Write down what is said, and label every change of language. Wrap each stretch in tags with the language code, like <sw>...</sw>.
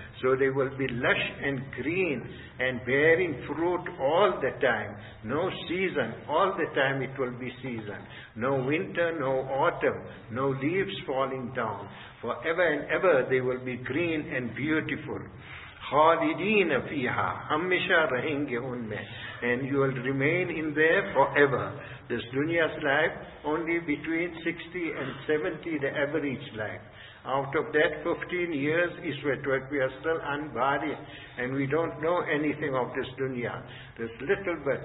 <en>So they will be lush and green and bearing fruit all the time. No season, all the time it will be season. No winter, no autumn, no leaves falling down. Forever and ever they will be green and beautiful.</en> <ar>خالدین فیہا</ar> <ur>ہمیشہ رہیں گے ان میں.</ur> <en>And you will remain in there forever. This dunya's life only between 60 and 70, the average life. out of that 15 years is what we are still unburied, and we don't know anything of this dunya, this little bit.</en>